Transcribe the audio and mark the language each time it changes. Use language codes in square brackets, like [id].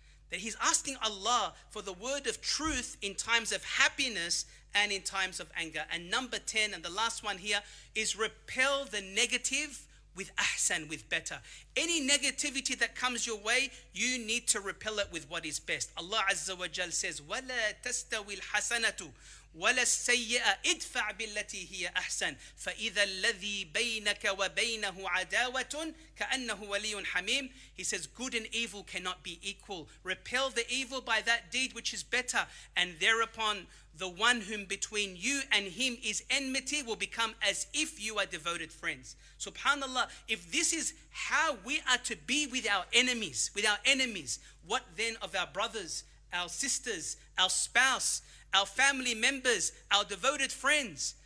[en] That he's asking Allah for the word of truth in times of happiness and in times of anger. And number 10, and the last one here, is repel the negative with ahsan, with better. Any negativity that comes your way, you need to repel it with what is best. Allah Azza wa Jal says, [ar] وَلَا تَسْتَوِي الْحَسَنَةُ وَلَا السَّيِّئَةُ اِدْفَعْ بِالَّتِي هِيَ أَحْسَنُ فَإِذَا الَّذِي بَيْنَكَ وَبَيْنَهُ عَدَاوَةٌ كَأَنَّهُ وَلِيٌّ حَمِيمٌ. [en] He says, good and evil cannot be equal. Repel the evil by that deed which is better, and thereupon the one whom between you and him is enmity will become as if you are devoted friends. Subhanallah, if this is how we are to be with our enemies, what then of our brothers, our sisters, our spouse, our family members, our devoted friends?